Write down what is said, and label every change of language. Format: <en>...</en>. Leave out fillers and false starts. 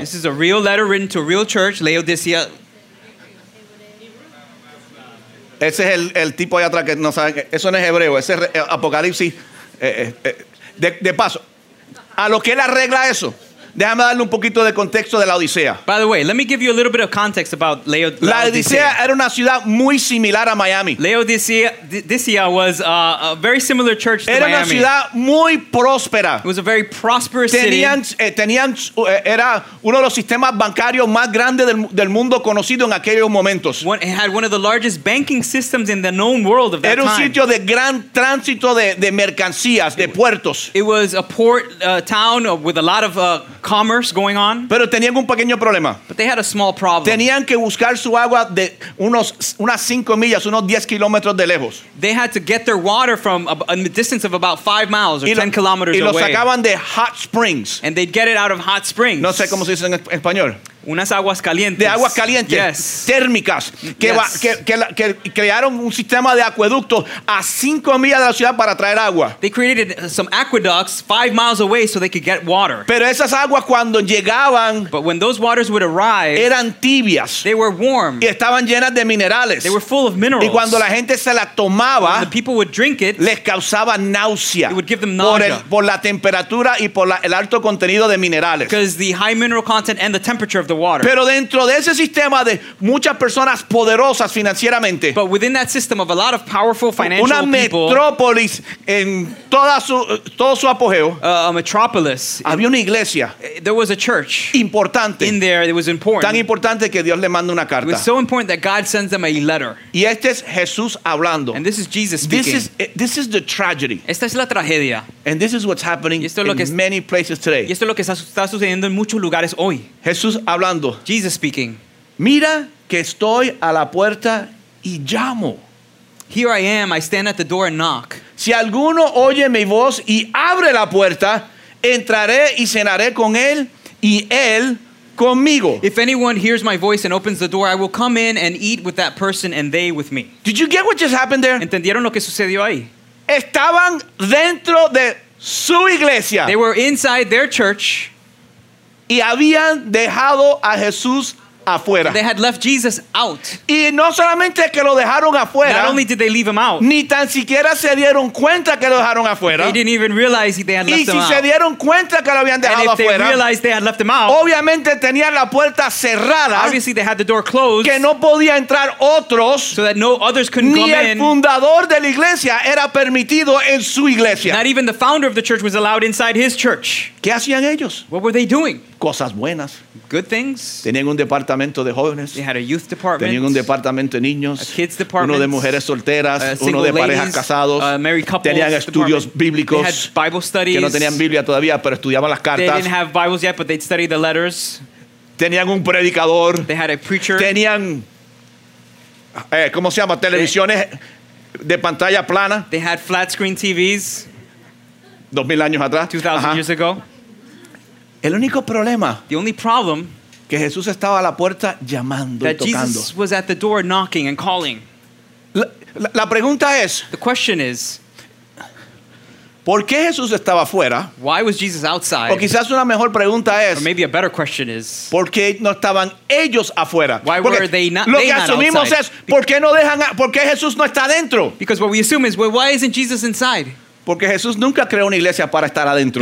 <en>This is a real letter written to a real church, Laodicea.</en> <es>Ese es el tipo allá atrás que no saben, eso no es hebreo, ese es Apocalipsis. De paso, a lo que él arregla eso. Déjame darle un poquito de contexto de Laodicea.</es> <en>By the way, let me give you a little bit of context about Laodicea.</en> <es>Laodicea era una ciudad muy similar a Miami.</es> <en>Laodicea was a very similar church to</en> <es>era</es> <en>Miami.</en> <es>Era una ciudad muy próspera.</es> <en>It was a very prosperous city.</en> <es>Era uno de los sistemas bancarios más grandes del mundo conocido en aquellos momentos.</es> <en>It had one of the largest banking systems in the known world of that</en> <es>era</es> <en>time.</en> <es>Era un sitio de gran tránsito de mercancías, de puertos.</es> <en>It was a port town with a lot of commerce going on.</en> <es>Pero tenían un pequeño problema.</es> <en>But they had a small problem.</en> <es>Tenían que buscar su agua de unas 5 millas, unos 10 kilómetros de lejos.</es> <en>They had to get their water from a distance of about 5 miles or 10 kilometers away.</en> <es>Y lo sacaban de</es> <en>hot springs. And they'd get it out of hot springs.</en> <es>No sé cómo se dice en español. Unas aguas calientes. De aguas calientes.</es> <en>Yes.</en> <es>Térmicas. Que,</es> <en>yes.</en> <es>que crearon un sistema de acueducto a 5 millas de la ciudad para traer agua.</es> <en>They created some aqueducts 5 miles away so they could get water.</en> <es>Pero esas aguas cuando llegaban,</es> <en>but when those waters would arrive,</en> <es>eran tibias.</es> <en>They were warm.</en> <es>Y estaban llenas de minerales.</es> <en>They were full of minerals.</en> <es>Y cuando la gente se la tomaba,</es> <en>when the people would drink it,</en> <es>les causaba náusea.</es> <en>It would give them nausea.</en> <es>Por la temperatura y por el alto contenido de minerales.</es> <en>Because the high mineral content and the temperature of the water.</en> <es>Pero dentro de ese sistema de muchas personas poderosas financieramente,</es> <en>but within that system of a lot of powerful financial</en> <es>una metrópolis</es> <en>people,</en> <es>en toda su, todo su apogeo,</es> <en>a metropolis,</en> <es>había una iglesia,</es> <en>there was a church</en> <es>importante,</es> <en>in there that was important,</en> <es>tan importante que Dios le manda una carta.</es> <en>It was so important that God sends them a letter.</en> <es>Y este es Jesús hablando.</es> <en>And this is Jesus speaking. This is the tragedy.</en> <es>Esta es la tragedia.</es> <en>And this is what's happening in many places today.</en> <es>Y esto es lo que está sucediendo en muchos lugares hoy. Jesús hablando.</es> <en>Jesus speaking.</en> <es>Mira que estoy a la puerta y llamo.</es> <en>Here I am, I stand at the door and knock.</en> <es>Si alguno oye mi voz y abre la puerta, entraré y cenaré con él y él conmigo.</es> <en>If anyone hears my voice and opens the door, I will come in and eat with that person and they with me. Did you get what just happened there?</en> <es>¿Entendieron lo que sucedió ahí? Estaban dentro de su iglesia.</es> <en>They were inside their church.</en> <es>Y habían dejado a Jesús afuera.</es> <en>They had left Jesus out.</en> <es>Y no solamente que lo dejaron afuera.</es> <en>Not only did they leave him out.</en> <es>Ni tan siquiera se dieron cuenta que lo dejaron afuera.</es> <en>They didn't even realize they had left him</en> <es>Y si se dieron cuenta que lo habían dejado afuera.</es> <en>And if they realized they had left him out.</en> <es>Obviamente tenían la puerta cerrada.</es> <en>Obviously they had the door closed.</en> <es>Que no podía entrar otros.</es> <en>So that no others couldn't come in.</en> <es>Ni el fundador de la iglesia era permitido en su iglesia.</es> <en>Not even the founder of the church was allowed inside his church.</en> <es>¿Qué hacían ellos?</es> <en>What were they doing?</en> <es>Cosas buenas.</es> <en>Good things.</en> <es>Tenían un departamento de jóvenes.</es> <en>They had a youth department.</en> <es>Tenían un departamento de niños.</es> <en>A kids department.</en> <es>Uno de mujeres solteras. Uno de parejas casados.</es> <en>Married couples.</en> <es>Tenían estudios bíblicos.</es> <en>They had Bible studies.</en> <es>Que no tenían Biblia todavía, pero estudiaban las cartas.</es> <en>They didn't have Bibles yet, but they'd study the letters.</en> <es>Tenían un predicador.</es> <en>They had a preacher.</en> <es>Tenían, ¿cómo se llama? Televisiones de pantalla plana.</es> <en>They had flat screen TVs.</en> <es>2000 años atrás.</es> <en>2000 years ago.</en> <es>El único problema,</es> <en>the only problem,</en> <es>que Jesús estaba a la puerta llamando y tocando.</es> <en>That Jesus was at the door knocking and calling.</en> <es>La pregunta es,</es> <en>the question is,</en> <es>¿por qué Jesús estaba fuera?</es> <en>Why was Jesus outside?</en> <es>O quizás una mejor pregunta es,</es> <en>or maybe a better question is,</en> <es>¿por qué no estaban ellos afuera?</es> <en>Why</en> <es>Porque</es> <en>were they not</en> <es>lo</es> <en>they</en> <es>que</es> <en>not</en> <es>asumimos</es> <en>outside?</en> <es>Es, ¿por qué no dejan a, ¿por qué Jesús no está adentro?</es> <en>Because what we assume is, well, why isn't Jesus inside?</en> <es>Porque Jesús nunca creó una iglesia para estar adentro.</es>